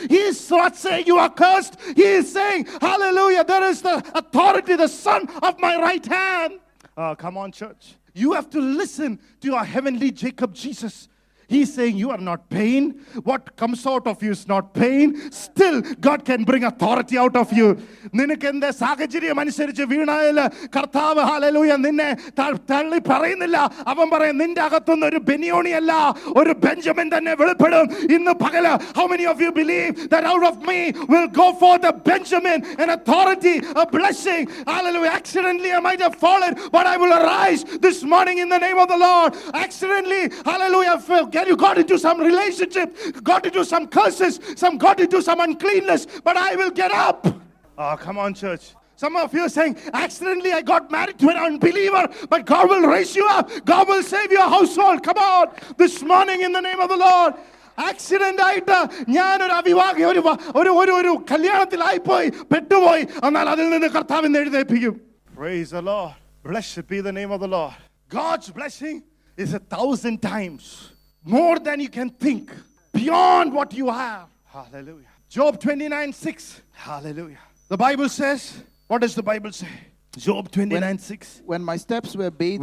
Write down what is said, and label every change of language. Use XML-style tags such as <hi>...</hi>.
<en>He is not saying you are cursed. He is saying, hallelujah. Hallelujah, there is the authority, the son of my right hand. Oh, come on, church. You have to listen to your heavenly Jacob Jesus. He's saying you are not pain. What comes out of you is not pain. Still, God can bring authority out of you.</en> <ml>നിനക്കെന്ത സാഹചര്യം അനുസരിച്ച് വീണാല് കർത്താവ് hallelujah നിന്നെ തള്ളി പറയുന്നില്ല. അവൻ പറയും നിന്റെ അകത്തുനിന്ന് ഒരു ബെനിയോണി അല്ല ഒരു ബെഞ്ചമിൻ തന്നെ വെളിപ്പെടും ഇന്ന് പകല്.</ml> <en>How many of you believe that out of me will go forth a Benjamin, an authority, a blessing? Hallelujah. Accidentally I might have fallen, but I will arise this morning in the name of the Lord. Accidentally, hallelujah, get you got into some relationship, got into some curses, some got into some uncleanness, but I will get up. Oh, come on, church. Some of you are saying, accidentally I got married to an unbeliever, but God will raise you up. God will save your household. Come on, this morning in the name of the Lord.</en> <ml>Accident ആയിട്ട് ഞാൻ ഒരു അവിവാഹി ഒരു ഒരു ഒരു ഒരു കല്യാണത്തിലായി പോയി പെട്ടുപോയി എന്നാൽ അതിൽ നിന്ന് കർത്താവ് എഴുന്നേൽപ്പിക്കും.</ml> <en>Praise the Lord. Blessed be the name of the Lord. God's blessing is 1,000 times more than you can think, beyond what you have. Hallelujah. Job 29:6. Hallelujah. The Bible says, what does the Bible say? Job 29:6. When my steps were bathed,</en>